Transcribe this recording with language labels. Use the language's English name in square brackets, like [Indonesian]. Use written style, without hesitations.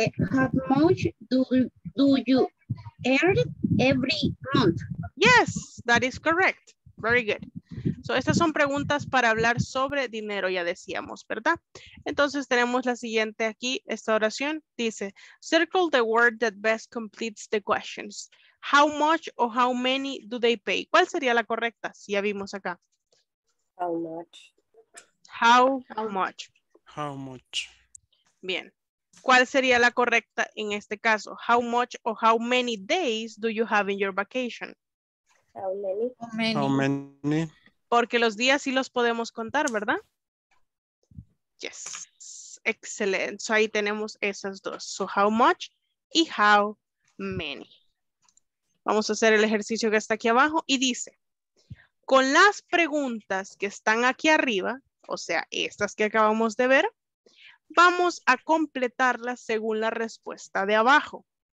[English] How much do you every month. Yes, that is correct. Very good. [Spanish] So, estas son preguntas para hablar sobre dinero, ya decíamos, ¿verdad? Entonces, tenemos la siguiente aquí, esta oración. Dice, [English] circle the word that best completes the questions. How much or how many do they pay? [Spanish] ¿Cuál sería la correcta? Si ya vimos acá. [English] How much. How much. [Spanish] Bien. ¿Cuál sería la correcta en este caso? [English] How much or how many days do you have in your vacation? How many? [Spanish] Porque los días sí los podemos contar, ¿verdad? Yes. Excelente. So ahí tenemos esas dos. [English] So how much y how many. [Spanish] Vamos a hacer el ejercicio que está aquí abajo y dice, con las preguntas que están aquí arriba, o sea, estas que acabamos de ver, vamos a completarla según la respuesta de abajo.